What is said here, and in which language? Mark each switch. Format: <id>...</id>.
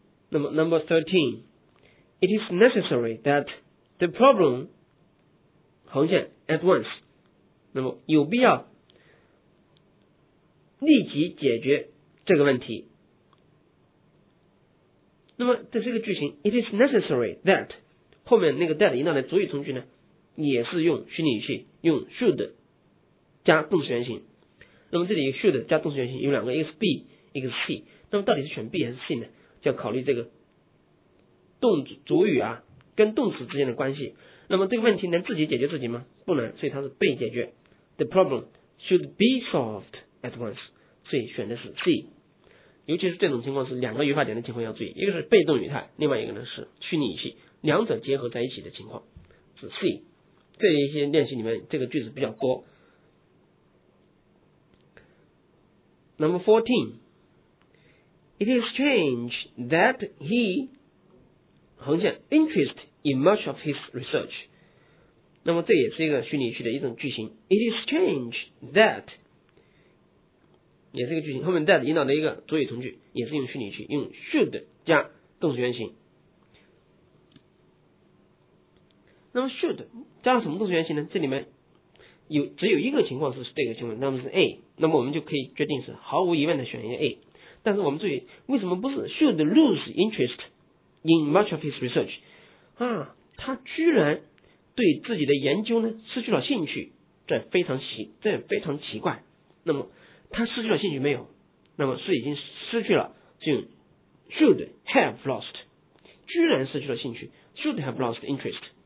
<zh>那么</zh> <en>number 13 it is necessary that the problem</en> <zh>横线</zh> <en>at once</en> <zh>那么有必要立即解决这个问题，那么这是一个句型</zh> <en>it is necessary that</en> <zh>后面那个 that 引导的主语从句呢也是用虚拟语气，用 should 加动词原形。那么这里 should 加动词原形有两个，一个是 be， 一个是 see。那么到底是选 be 还是 see 呢？就要考虑这个动主语啊跟动词之间的关系。那么这个问题能自己解决自己吗？不能，所以它是被解决。</zh> <en>The problem should be solved at once，</en> <zh>所以选的是</zh> <en>see。</en> <zh>尤其是这种情况是两个语法点的情况要注意，一个是被动语态，另外一个呢是虚拟语气，两者结合在一起的情况。 C， 这一些练习里面这个句子比较多。</zh> <en>Number 14 It is strange that he 横线 interest in much of his research，</en> <zh>那么这也是一个虚拟语气的一种句型。</zh> <en>It is strange that</en> <zh>也是一个句型，后面 that 引导的一个主语从句，也是用虚拟语气，用 should 加动词原形。那么 should 加上什么动词原形呢？这里面有只有一个情况是这个情况，那么是 A， 那么我们就可以决定是毫无疑问的选一个 A。但是我们注意，为什么不是</zh> <en>should lose interest in much of his research 啊？</en> <zh>他居然对自己的研究呢失去了兴趣，这非常奇怪。那么他失去了兴趣没有？那么是已经失去了，就 should have lost， 居然失去了兴趣 ，</zh> <en>should have lost interest。</en>